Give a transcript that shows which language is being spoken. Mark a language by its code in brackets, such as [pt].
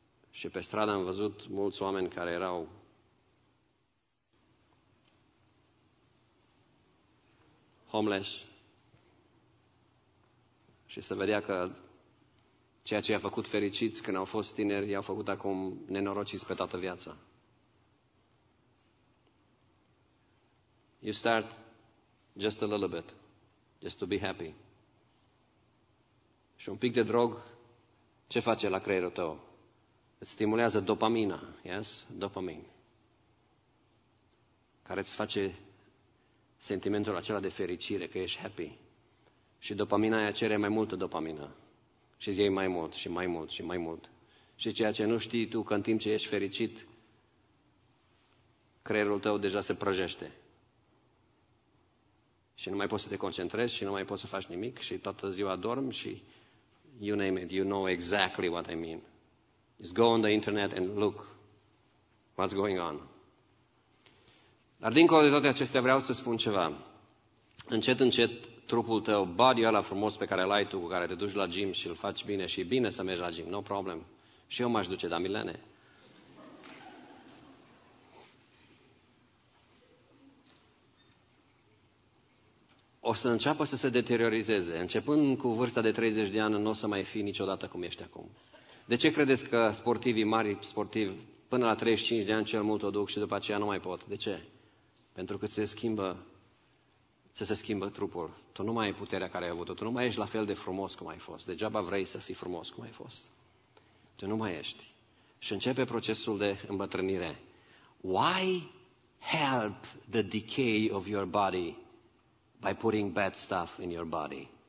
[ro] Și pe stradă am văzut mulți oameni care erau homeless. Și se vedea că ceea ce i-a făcut fericiți când au fost tineri, i-au făcut acum nenorociți pe toată viața. [en] You start just a little bit, just to be happy. [ro] Și un pic de drog, ce face la creierul tău? Îți stimulează dopamina, [en] yes? Dopamine. [ro] Care îți face sentimentul acela de fericire, că ești happy. Și dopamina aia cere mai multă dopamină. Și îți iei mai mult și mai mult și mai mult. Și ceea ce nu știi tu, că în timp ce ești fericit, creierul tău deja se prăjește. Și nu mai poți să te concentrezi și nu mai poți să faci nimic și toată ziua dormi și [en] you name it, you know exactly what I mean. Just go on the internet and look what's going on. [ro] Dar dincolo de toate acestea vreau să spun ceva. Încet, încet, trupul tău, body-ul ăla frumos pe care l-ai tu, cu care te duci la gym și îl faci bine și e bine să mergi la gym, [en] no problem. [ro] Și eu m-aș duce, dar Milene. O să înceapă să se deterioreze. Începând cu vârsta de 30 de ani, nu o să mai fii niciodată cum ești acum. De ce credeți că sportivii, mari sportivi, până la 35 de ani cel mult o duc și după aceea nu mai pot? De ce? Pentru că se schimbă trupul. Tu nu mai ai puterea care ai avut-o. Tu nu mai ești la fel de frumos cum ai fost. Degeaba vrei să fii frumos cum ai fost. Tu nu mai ești. Și începe procesul de îmbătrânire. [en] Why help the decay of your body by putting bad stuff in your body?